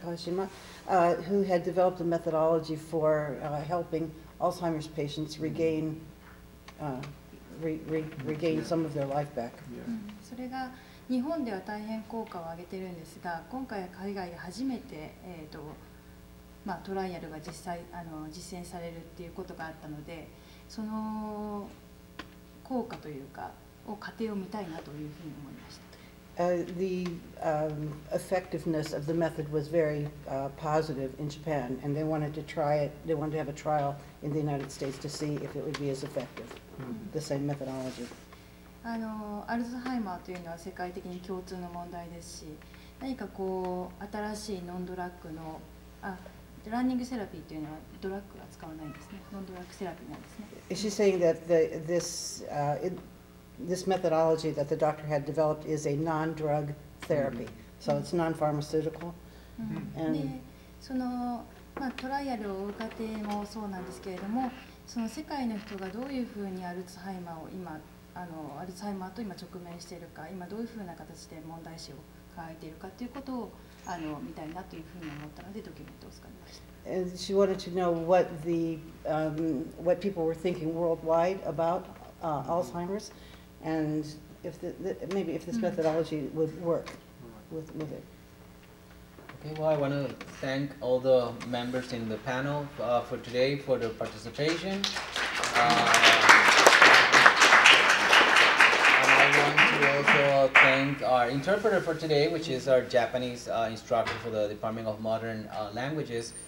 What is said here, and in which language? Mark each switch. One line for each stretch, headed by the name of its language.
English: Kawashima, who had developed a methodology for helping Alzheimer's patients regain, regain some of their life back. Yeah. Mm-hmm.
Japanese: それが日本では大変効果を上げてるんですが、今回は海外で初めて、まあ、トライアルが実際実践されるっていうことがあったので、その効果というか、を過程を見たいなというふうに思いました。
English: The effectiveness of the method was very positive in Japan, and they wanted to try it, they wanted to have a trial in the United States to see if it would be as effective,、mm-hmm. the same methodology.
Japanese: アルツハイマーというのは世界的に共通の問題ですし、何かこう、新しいノンドラッグの、ランニングセラピーっていうのはドラッグは使わないんですね。ノンドラッグセラピーなんですね。
English: Is she saying that this methodology that the doctor had developed is a non-drug therapy?、Mm-hmm. So it's non-pharmaceutical?、 Mm-hmm.
Japanese: And、で、その、まあ、トライアルを追う過程もそうなんですけれども、その世界の人がどういうふうにアルツハイマーを今、あのアルツハイマーと今直面しているか、今どういうふうな形で問題視を抱えているかということをあの見たいなというふうに思ったので、ドキュメントを使いました。
English: And she wanted to know what the、what people were thinking worldwide about、Alzheimer's and if the maybe if this methodology would work with it. Okay, well, I want to thank all the members in the panel、for today for the participation.、thank our interpreter for today, which is our Japanese、instructor for the Department of Modern、Languages.